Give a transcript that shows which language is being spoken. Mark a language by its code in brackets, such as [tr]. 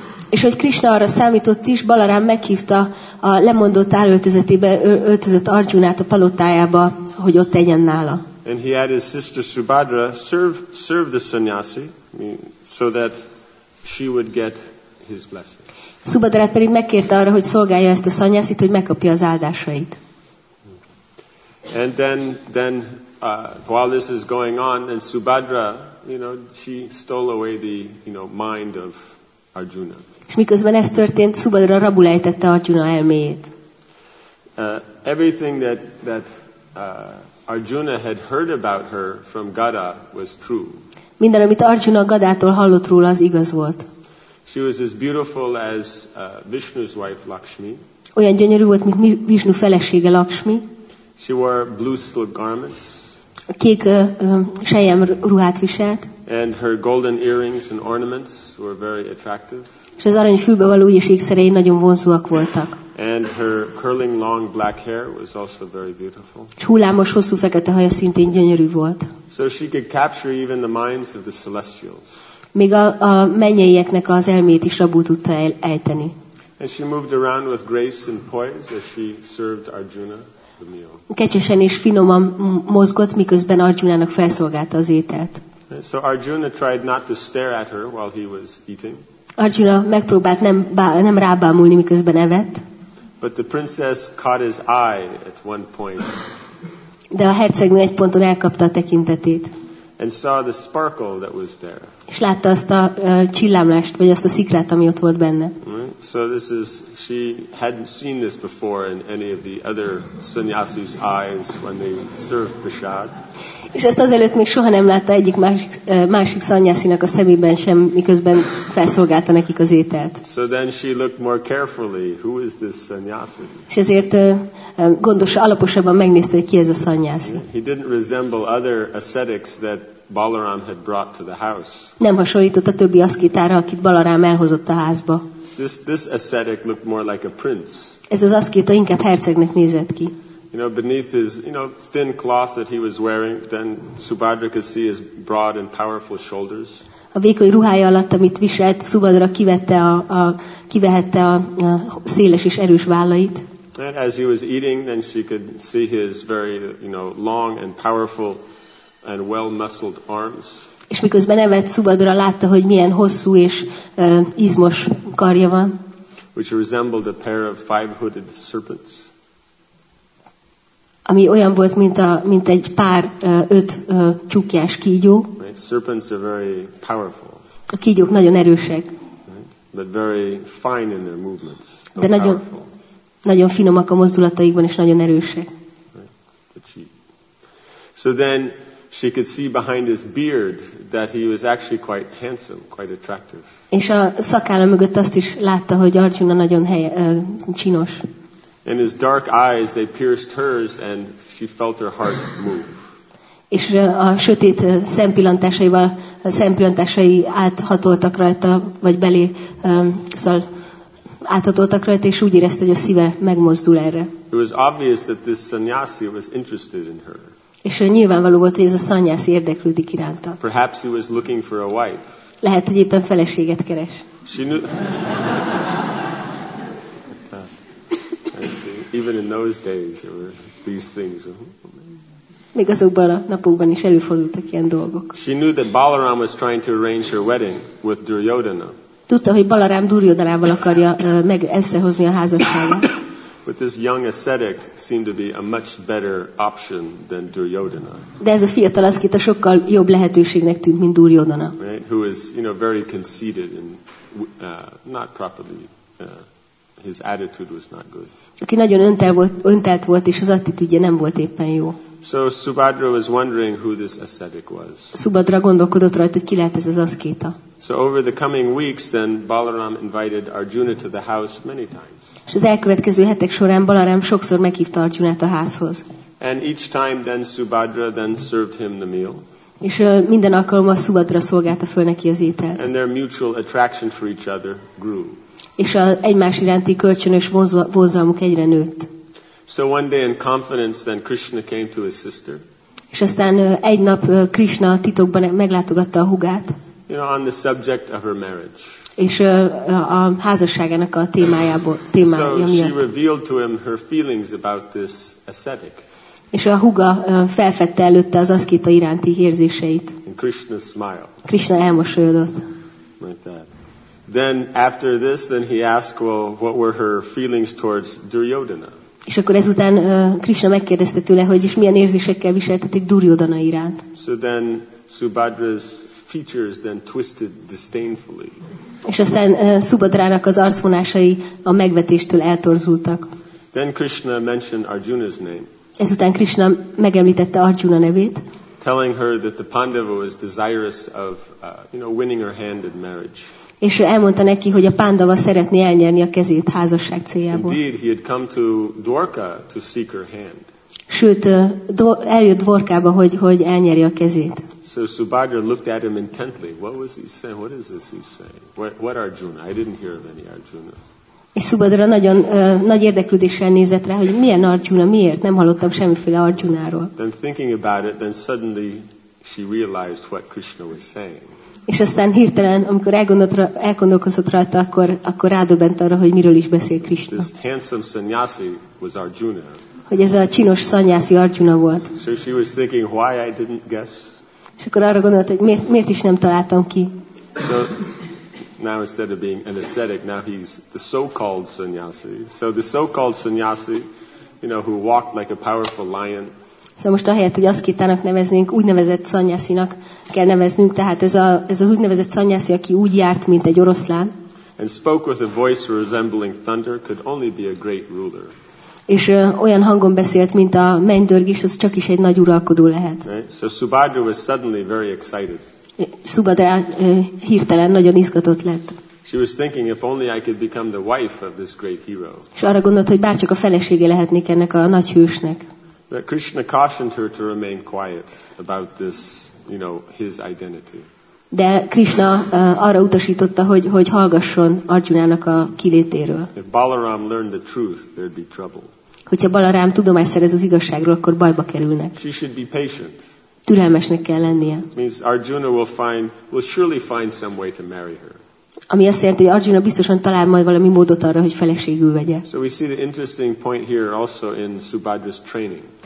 [hu] És hogy Krishna arra számított is, Balaram meghívta a lemondott állöltözetébe, öltözött Arjunát a palotájába, hogy ott tegyen nála. [en] And he had his sister Subhadra serve the sannyasi, so that she would get his blessing. [hu] Subhadrát pedig megkérte arra, hogy szolgálja ezt a szanyászit, hogy megkapja az áldásait. [en] And then while this is going on, and Subhadra, she stole away the mind of Arjuna. [hu] És miközben ez történt, Subhadra rabul ejtette Arjuna elméjét. [en] Everything that Arjuna had heard about her from Gada was true. [hu] Minden, amit Arjuna Gadától hallott róla, az igaz volt. [en] She was as beautiful as Vishnu's wife Lakshmi. [hu] Olyan gyönyörű volt, mint Vishnu felesége Lakshmi. [en] She wore blue silk garments. [hu] Kék selyem ruhát viselt. [en] And her golden earrings and ornaments were very attractive. [hu] És az arany fülbe való és ékszerei nagyon vonzóak voltak. [en] And her curling long black hair was also very beautiful. [hu] És hullámos hosszú fekete haja szintén gyönyörű volt. [en] So she could capture even the minds of the celestials. [hu] Még a mennyeieknek az elmét is rabul tudta ejteni. [en] And she moved around with grace and poise as she served Arjuna the meal. [hu] Kecsesen és finoman mozgott, miközben Arjunának felszolgálta az ételt. [en] And so Arjuna tried not to stare at her while he was eating. [hu] Arjuna megpróbált nem rábámulni, miközben evett. [en] But the princess caught his eye at one point. [hu] De a hercegnő egy ponton elkapta a tekintetét. [en] And saw the sparkle that was there. [hu] És látta azt a csillámlást, vagy azt a szikrát, ami ott volt benne. [en] So this is, she hadn't seen this before in any of the other sannyasis' eyes when they served prasad. [hu] És ezt azelőtt még soha nem látta egyik másik szanyászinak a szemében sem, miközben felszolgálta nekik az ételt. [en] So then she looked more carefully, who is this sannyasi? [hu] És ezért alaposabban megnézte, hogy ki ez a szanyászi. [en] He didn't resemble other ascetics that Balaram had brought to the house. [hu] Nem hasonlított a többi aszkétára, akit Balaram elhozott a házba. [en] This ascetic looked more like a prince. [hu] Ez az aszkéta inkább hercegnek nézett ki. [en] Beneath his thin cloth that he was wearing, then Subhadra could see his broad and powerful shoulders. [hu] A vékony ruhája alatt, amit viselt, Subhadra kivehette a széles és erős vállait. [en] And as he was eating, then she could see his very long and powerful and well-muscled arms. [hu] És miközben evett, Subhadra látta, hogy milyen hosszú és izmos karja van. [en] Which resembled a pair of five-hooded serpents. [hu] Ami olyan volt, mint egy pár öt csúkjás kígyó. [en] Right. Serpents are very powerful. [hu] A kígyók nagyon erősek. [en] Right. But very fine in their movements. [hu] De nagyon [en] powerful. [hu] Nagyon finomak a mozdulataikban és nagyon erősek. [en] Right. So then she could see behind his beard that he was actually quite handsome, quite attractive. [hu] És a szakálla mögött azt is látta, hogy Arjuna nagyon csinos. [en] And his dark eyes, they pierced hers, and she felt her heart move. [hu] És a sötét szempillantásai áthatoltak rajta, vagy belé, szóval áthatoltak rajta, és úgy érezte, hogy a szíve megmozdul erre. [en] It was obvious that this sannyasi was interested in her. [hu] És nyilvánvaló volt, hogy ez a szanyász érdeklődik iránta. [en] Perhaps he was looking for a wife. [hu] Lehet, hogy éppen feleséget keres. [en] She knew. Even in those days, there were these things. [hu] Még azokban a napokban is előfordultak ilyen dolgok. [en] She knew that Balaram was trying to arrange her wedding with Duryodhana. [hu] Tudta, hogy Balaram Duryodhanával akarja meg összehozni a házasságot. [en] But this young ascetic seemed to be a much better option than Duryodhana. [hu] De ez a fiatal aszkita sokkal jobb lehetőségnek tűnt, mint Duryodhana. [en] Right? Who is, very conceited and not properly. His attitude was not good. [hu] Aki nagyon öntelt volt, és az attitűdje nem volt éppen jó. [en] So Subhadra was wondering who this ascetic was. [hu] Subhadra gondolkodott rajta, hogy ki lehet ez az aszkéta. [en] So over the coming weeks, then Balaram invited Arjuna to the house many times. [hu] És az elkövetkező hetek során Balaram sokszor meghívta Arjunát a házhoz. [en] And each time, then Subhadra then served him the meal. [hu] És minden alkalommal Subhadra szolgálta föl neki az ételt. [en] And their mutual attraction for each other grew. [hu] És a egymás iránti kölcsönös vonzalmuk egyre nőtt. [en] So one day in confidence, then Krishna came to his sister. [hu] És aztán egy nap Krishna titokban meglátogatta a húgát. [en] You know, on the subject of her marriage. [hu] És a házasságának a témájából témája miatt. [en] So she revealed to him her feelings about this ascetic. [hu] És a húga felfedte előtte az aszkéta iránti érzéseit. [en] And Krishna smiled. [hu] Krishna elmosolyodott. [en] Like that. Then after this, then he asked, well, what were her feelings towards Duryodhana? [hu] És akkor ezután Krishna megkérdezte tőle, hogy is milyen érzésekkel viseltetik Duryodhana iránt. [en] So then Subhadra's features then twisted disdainfully. [hu] És aztán Subhadrának az arcvonásai a megvetéstől eltorzultak. [en] Then Krishna mentioned Arjuna's name. [hu] Ezután Krishna megemlítette Arjuna nevét. [en] Telling her that the Pandava was desirous of, you know, winning her hand in marriage. [hu] És elmondta neki, hogy a Pandava szeretné elnyerni a kezét házasság céljából. [en] Indeed, he had come to Dwarka to seek her hand. [hu] Sőt, eljött Dwarkába, hogy elnyeri a kezét. [en] So Subhadra looked at him intently. What was he saying? What is this he's saying? What Arjuna? I didn't hear of any Arjuna. [hu] És Subhadra nagyon nagy érdeklődéssel nézett rá, hogy milyen Arjuna, miért? Nem hallottam semmiféle Arjunáról. [en] Then thinking about it, then suddenly she realized what Krishna was saying. [hu] És aztán hirtelen, amikor elgondolkozott rajta, akkor rádöbbent arra, hogy miről is beszél Krishna. [en] This handsome sannyasi was Arjuna. [hu] Hogy ez a csinos szanyászi Arjuna volt. [en] So she was thinking, why I didn't guess. [hu] És akkor arra gondolt, hogy miért is nem találtam ki. [en] So now instead of being an ascetic, now he's the so-called sannyasi. So the so-called sannyasi, you know, who walked like a powerful lion. [hu] Szóval most ahelyett, hogy aszkétának neveznénk, úgynevezett szanyászinak kell neveznünk. Tehát ez az úgynevezett szanyászi, aki úgy járt, mint egy oroszlán. [en] And spoke with a voice resembling thunder, could only be a great ruler. [hu] És olyan hangon beszélt, mint a mennydörgés, az csak is egy nagy uralkodó lehet. [en] Right? So Subhadra was suddenly very excited. [hu] Subhadra hirtelen nagyon izgatott lett. [en] She was thinking, if only I could become the wife of this great hero. [hu] És arra gondolt, hogy bárcsak a felesége lehetnék ennek a nagy hősnek. [en] But Krishna cautioned her to remain quiet about this, you know, his identity. [hu] De Krishna arra utasította, hogy hallgasson Arjunának a kilétéről. [en] If Balaram learned the truth, there'd be trouble. [hu] Hogyha Balaram tudomást szerez az igazságról, akkor bajba kerülnek. [en] She should be patient. [hu] Türelmesnek kell lennie. [en] Means Arjuna will surely find some way to marry her. [hu] Ami azt jelenti, hogy Arjuna biztosan talál majd valami módot arra, hogy feleségül vegye. [en] So we see the interesting point here also in Subhadra's training.